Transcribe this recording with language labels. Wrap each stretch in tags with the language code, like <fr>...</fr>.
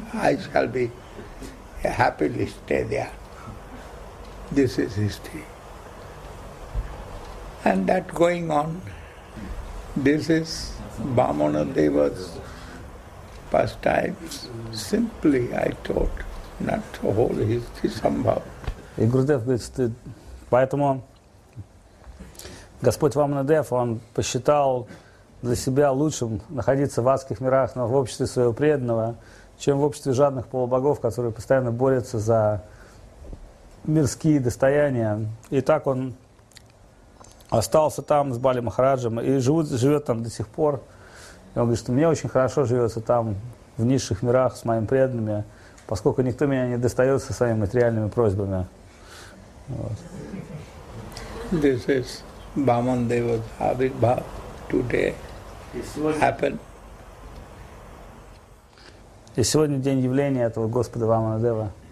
<en>I shall be happily stay there. This is history. And that going on, this is Vamanadeva's pastimes. Simply, I taught, not the whole history, somehow.</en> <ru>И Гурудев говорит, что поэтому Господь Вамандев, он посчитал для себя лучшим находиться в адских мирах, но в обществе своего преданного, чем в обществе жадных полубогов, которые постоянно борются за мирские достояния. И так он остался там с Бали Махараджем и живет там до сих пор. И он говорит, что мне очень хорошо живется там, в низших мирах, с моими преданными, поскольку никто меня не достает со своими материальными просьбами. Вот.</ru> <en>This is Vamandeva's Abhibhav today happen.</en> <ru>И сегодня день явления этого Господа Вамандева.</ru>